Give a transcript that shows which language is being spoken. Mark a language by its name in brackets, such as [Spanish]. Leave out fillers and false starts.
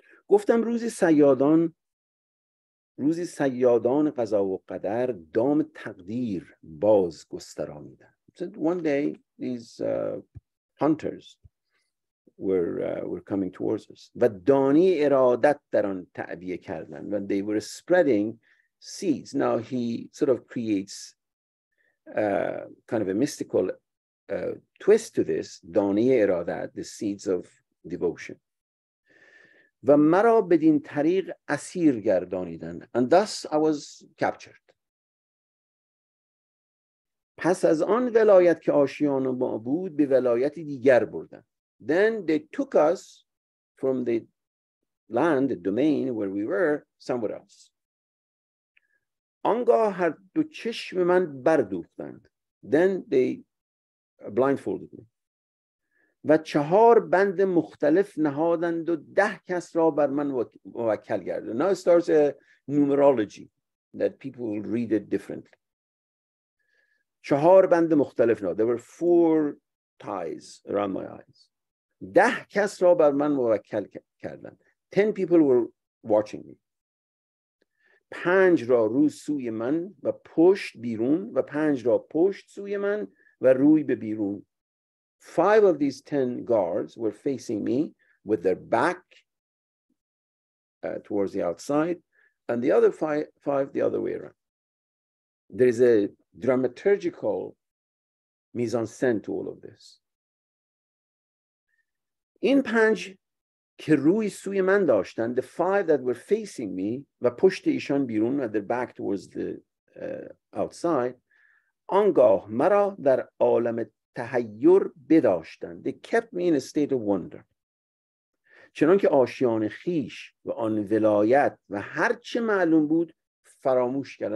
[Persian] Goftam روزی سیادان قضا و قدر دام تقدیر باز گسترانیدن. [English] So one day these hunters were coming towards us. [Persian] و دانی ارادت در آن تعبیه کردن. [English] When they were spreading seeds. Now he sort of creates kind of a mystical twist to this. [Persian] دانی ارادت, [English] the seeds of devotion. [Persian] و مرا بدین طریق اسیر گردانیدند. [English] And thus I was captured. [Persian] پس از آن ولایت که آشیان ما بود به ولایتی دیگر بردند. [English] Then they took us from the land, the domain where we were, somewhere else. [Persian] آنگاه هر دو چشم من بردوختند. [English] Then they blindfolded me. [Persian] و چهار بند مختلف نهادند و ده کس را بر من موکل گرد. [English] Now it starts a numerology that people will read it differently. [Persian] چهار بند مختلف نهاد. [English] There were four ties around my eyes. [Persian] ده کس را بر من موکل کردند. [English] 10 people were watching me. [Persian] پنج را روی سوی من و پشت بیرون و پنج را پشت سوی من و روی به بیرون. [English] 5 of these 10 guards were facing me with their back towards the outside, and the other five the other way around. There is a dramaturgical mise-en-scene to all of this. [Persian] In panj ke roi suy man dashtan, [English] the 5 that were facing me, [Persian] va pushte ishan birun, [English] at their back towards the outside, [Persian] angah mara dar alam تحیر بداشتند. [English] They kept me in a state of wonder. [Persian] چنان که آشیان خیش و آن ولایت و هر چه معلوم بود فراموش کردم.